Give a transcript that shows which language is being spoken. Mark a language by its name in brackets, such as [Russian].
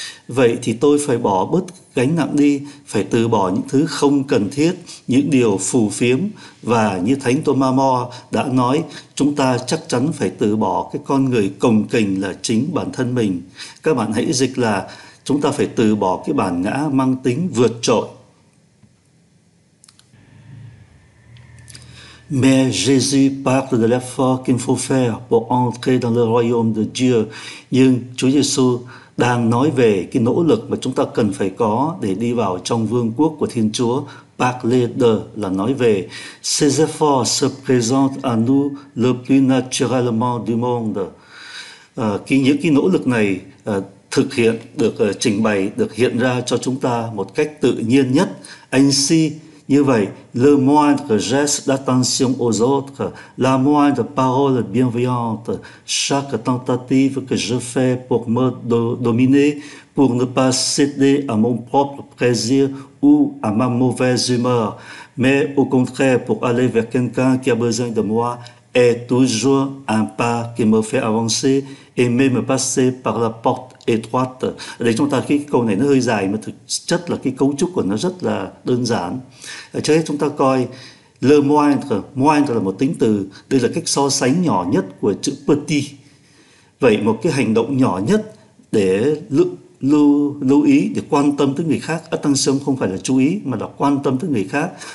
[Vietnamese] Vậy thì tôi phải bỏ bớt gánh nặng đi, phải từ bỏ những thứ không cần thiết, những điều phù phiếm. Và như Thánh Thomas More đã nói, chúng ta chắc chắn phải từ bỏ cái con người cồng kềnh là chính bản thân mình. Các bạn hãy dịch là chúng ta phải từ bỏ cái bản ngã mang tính vượt trội. [French] Mais Jésus parle de l'effort qu'il faut faire pour entrer dans le royaume de Dieu. [Vietnamese] Nhưng Chúa Giêsu đang nói về cái nỗ lực mà chúng ta cần phải có để đi vào trong vương quốc của Thiên Chúa. [French] Parler de [Vietnamese] là nói về. [French] Ces efforts se présentent à nous le plus naturellement du monde. [Vietnamese] Những cái nỗ lực này thực hiện, được trình bày, được hiện ra cho chúng ta một cách tự nhiên nhất. Anh si. Như vậy, [French] le moindre geste d'attention aux autres, la moindre parole bienveillante, chaque tentative que je fais pour me dominer, pour ne pas céder à mon propre plaisir ou à ma mauvaise humeur, mais au contraire pour aller vers quelqu'un qui a besoin de moi, est toujours un pas qui me fait avancer et même passer par la porte étroite. [Vietnamese] Ở đây chúng ta cái câu này nó hơi dài mà thực chất là cái cấu trúc của nó rất là đơn giản. Trước hết chúng ta coi le moindre, moindre là một tính từ, đây là cách so sánh nhỏ nhất của chữ petit. Vậy một cái hành động nhỏ nhất để lưu ý, để quan tâm tới người khác, attention không phải là chú ý mà là quan tâm tới người khác.